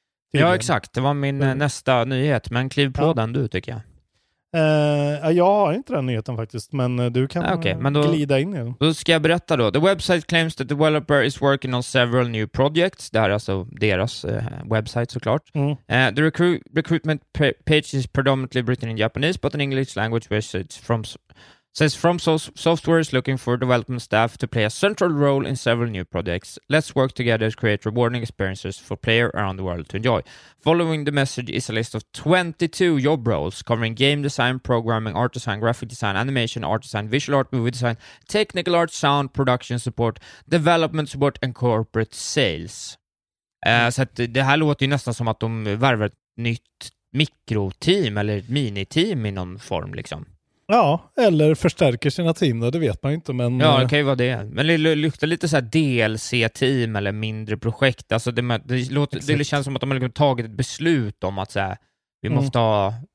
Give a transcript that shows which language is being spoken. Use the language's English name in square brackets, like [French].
[Swedish] Ja, exakt. Det var min nästa nyhet. Men kliv på den du, tycker jag. Jag har inte den nyheten faktiskt. Men du kan men då, glida in i den. Då ska jag berätta då. [English] The website claims that the developer is working on several new projects. [Swedish] Det här är alltså deras website såklart. Mm. [English] The recruitment page is predominantly written in Japanese, but an English language version from... Says From Software is looking for development staff to play a central role in several new projects. Let's work together to create rewarding experiences for players around the world to enjoy. Following the message is a list of 22 job roles covering game design, programming, art design, graphic design, animation, art design, visual art, movie design, technical art, sound, production support, development support and corporate sales. [Swedish] Så att det här låter ju nästan som att de värvar ett nytt mikroteam eller miniteam i någon form liksom. Ja, eller förstärker sina team då, det vet man inte. Men... ja, det kan ju vara det. Men det luktar lite så här DLC-team eller mindre projekt. Alltså det känns som att de har tagit ett beslut om att så här, vi måste ha...